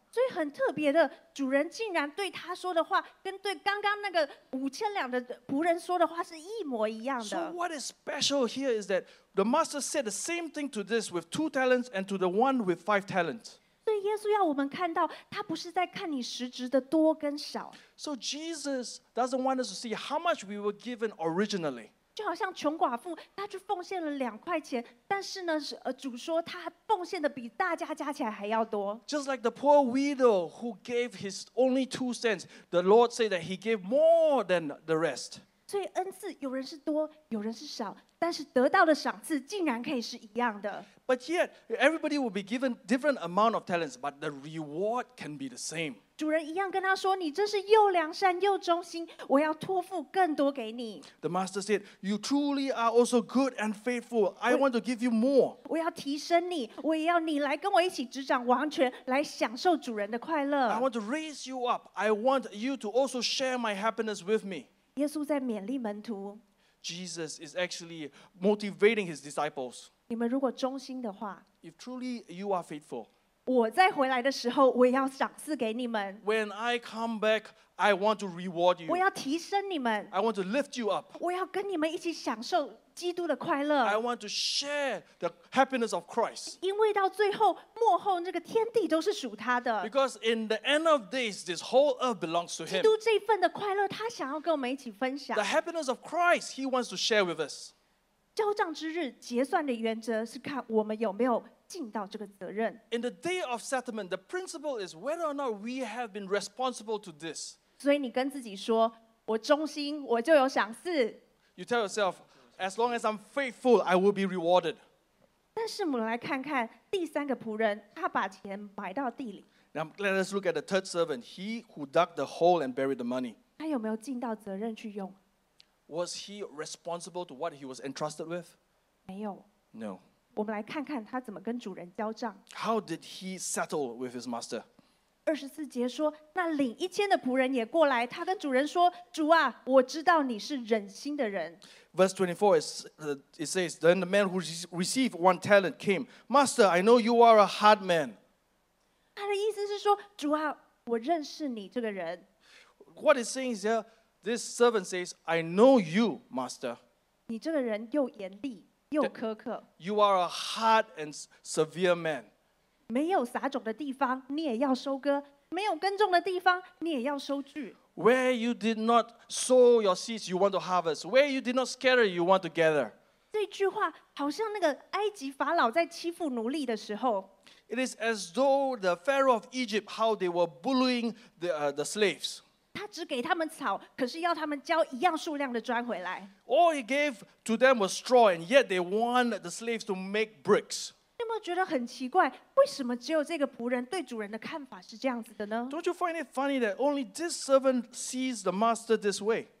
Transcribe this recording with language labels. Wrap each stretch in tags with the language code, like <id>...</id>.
<zh>所以很特别的，主人竟然对他说的话跟对刚刚那个五千两的仆人说的话是一模一样的。</zh> <en>So what is special here is that the master said the same thing to this with two talents and to the one with five talents.</en> <zh>所以耶稣要我们看到，他不是在看你实质的多跟少。</zh> <en>So Jesus doesn't want us to see how much we were given originally.</en> <zh>就好像穷寡妇，她去奉献了两块钱，但是呢，主说她奉献的比大家加起来还要多。</zh> <en>Just like the poor widow who gave his only 2 cents, the Lord said that he gave more than the rest.</en> <zh>所以恩赐有人是多，有人是少，但是得到的赏赐竟然可以是一样的。</zh> <en>But yet, everybody will be given different amount of talents, but the reward can be the same.</en> <zh>主人一样跟他说：“你真是又良善又忠心，我要托付更多给你。”</zh> <en>The master said, "You truly are also good and faithful. I want to give you more."</en> <zh>我要提升你，我也要你来跟我一起执掌王权，来享受主人的快乐。</zh> <en>I want to raise you up. I want you to also share my happiness with me.</en> <zh>耶稣在勉励门徒。</zh> <en>Jesus is actually motivating his disciples.</en> <zh>你们如果忠心的话</zh> <en>，If truly you are faithful.</en> <zh>我再回来的时候，我要赏赐给你们。</zh> <en>When I come back, I want to reward you.</en> <zh>我要提升你们。</zh> <en>I want to lift you up.</en> <zh>我要跟你们一起享受基督的快乐。</zh> <en>I want to share the happiness of Christ.</en> <zh>因为到最后，末后那个天地都是属他的。</zh> <en>Because in the end of days, this whole earth belongs to him.</en> <zh>基督这份的快乐，他想要跟我们一起分享。</zh> <en>The happiness of Christ, he wants to share with us.</en> <zh>交账之日，结算的原则是看我们有没有。</zh> <en>In the day of settlement, the principle is whether or not we have been responsible to this.</en> <zh>所以你跟自己说，我忠心，我就有赏赐。</zh> <en>You tell yourself, as long as I'm faithful, I will be rewarded.</en> <zh>但是我们来看看第三个仆人，他把钱埋到地里。</zh> <en>Now let us look at the third servant, he who dug the hole and buried the money.</en> <zh>他有没有尽到责任去用？</zh> <en>Was he responsible to what he was entrusted with?</en> <zh>没有。</zh> <en>No.</en> <zh>我们来看看他怎么跟主人交账。</zh> <en>How did he settle with his master?</en> <zh>二十四节说，那领一千的仆人也过来，他跟主人说：“主啊，我知道你是忍心的人。”</zh> <en>Verse 24 it says, then the man who received one talent came, Master, I know you are a hard man.</en> <zh>他的意思是说，主啊，我认识你这个人。</zh> <en>What it's saying is that this servant says, I know you, Master.</en> <zh>你这个人又严厉。</zh> <en>You are a hard and severe man.</en> <zh>没有撒种的地方，你也要收割；没有耕种的地方，你也要收据。</zh> <en>Where you did not sow your seeds, you want to harvest. Where you did not scatter, you want to gather.</en> <zh>这句话好像那个埃及法老在欺负奴隶的时候。</zh> <en>It is as though the Pharaoh of Egypt, how they were bullying the slaves.</en> <zh>他只给他们草，可是要他们交一样数量的砖回来。</zh> <en>All he gave to them was straw, and yet they want the slaves to make bricks.</en> <zh>你有没有觉得很奇怪？为什么只有这个仆人对主人的看法是这样子的呢？</zh> <en>Don't you find it funny that only this servant sees the master this way?</en>